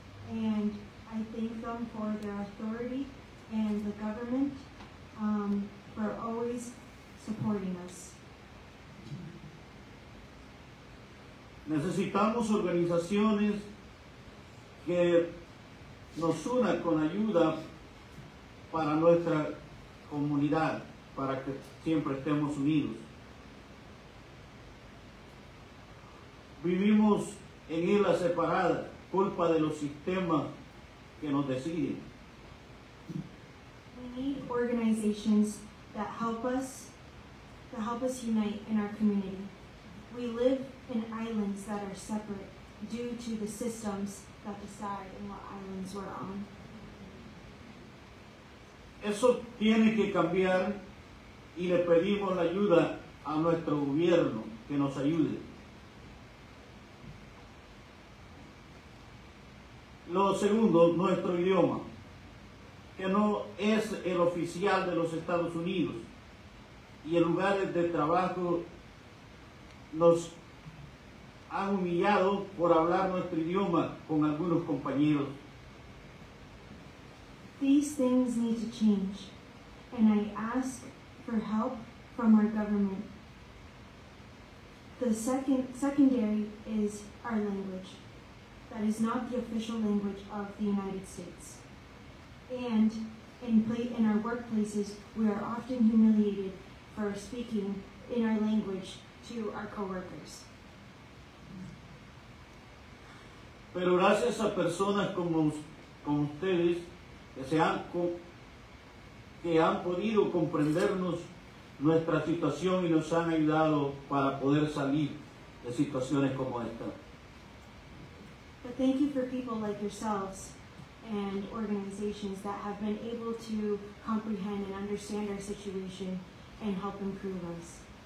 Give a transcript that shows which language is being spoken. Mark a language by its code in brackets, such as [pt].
[en] And I thank them for their authority and the government for always supporting us. [es] Necesitamos organizaciones que nos unan con ayuda para nuestra comunidad, para que siempre estemos unidos. Vivimos en islas separadas, culpa de los sistemas que nos deciden. [en] We need organizations that help us unite in our community. We live in islands that are separate due to the systems that decide in what islands we're on. [es] Eso tiene que cambiar y le pedimos la ayuda a nuestro gobierno que nos ayude. Lo segundo, nuestro idioma, que no es el oficial de los Estados Unidos, y en lugares de trabajo nos han humillado por hablar nuestro idioma con algunos compañeros. [en] These things need to change, and I ask for help from our government. The secondary is our language. That is not the official language of the United States. And in our workplaces, we are often humiliated for speaking in our language to our coworkers. [es] Pero gracias a personas como ustedes que han podido comprendernos nuestra situación y nos han ayudado para poder salir de situaciones como esta. [en] But thank you for people like yourselves and organizations that have been able to comprehend and understand our situation and help improve us.